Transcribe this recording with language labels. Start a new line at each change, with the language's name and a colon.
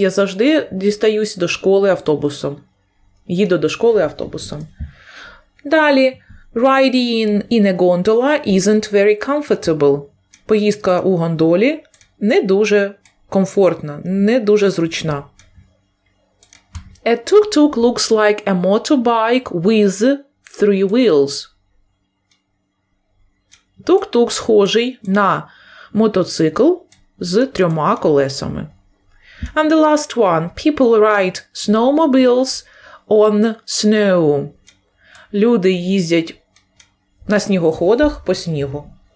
Ukrainian: Я завжди дістаюсь до школи автобусом. Їду до школи автобусом. Далі.
English: Riding in a gondola isn't very comfortable.
Ukrainian: Поїздка у гондолі не дуже комфортна, не дуже зручна.
English: A tuk-tuk looks like a motorbike with three wheels.
Ukrainian: Тук-тук схожий на мотоцикл з трьома колесами.
English: And the last one. People ride snowmobiles on snow.
Ukrainian: Люди їздять на снігоходах по снігу.